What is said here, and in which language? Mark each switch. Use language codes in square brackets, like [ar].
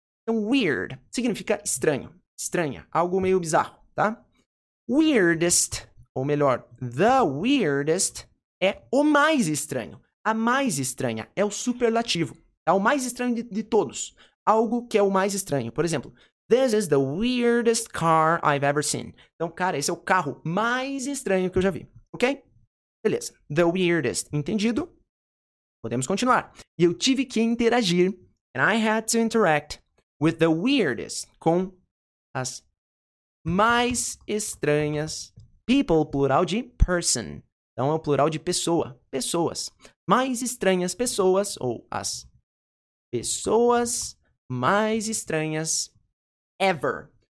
[pt] Então, weird significa estranho, estranha, algo meio bizarro, tá? Weirdest, ou melhor, the weirdest, é o mais estranho. A mais estranha é o superlativo, é o mais estranho de todos. Algo que é o mais estranho. Por exemplo, [en] this is the weirdest car I've ever seen. [pt] Então, cara, esse é o carro mais estranho que eu já vi, ok? Beleza, the weirdest, entendido? Podemos continuar. E eu tive que interagir, [en] and I had to interact with the weirdest, [pt] com as mais estranhas, people, plural de person, então é o plural de pessoa, pessoas, mais estranhas pessoas, ou as pessoas mais estranhas ever.